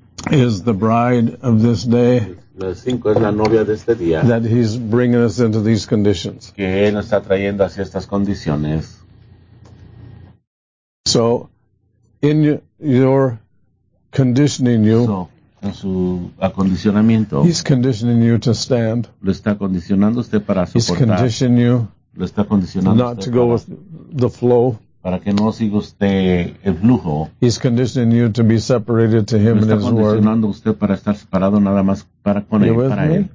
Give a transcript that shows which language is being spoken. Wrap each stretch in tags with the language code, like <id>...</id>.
<en>Is the bride of this day that he's bringing us into these conditions.</en> <es>Que él nos está trayendo hacia estas condiciones.</es> <en>So, in your conditioning you,</en> <es>so, en su acondicionamiento,</es> <en>he's conditioning you to stand.</en> <es>Lo está condicionando usted para soportar.</es> <en>He's conditioning you</en> <es>lo está condicionando</es> <en>not</en> <es>usted</es> <en>to go with the flow.</en> <es>para que no siga usted el flujo.</es> <en>He's conditioning you to be separated to him and his word.</en> <es>Está condicionando usted para estar separado nada más para con él, para él.</es>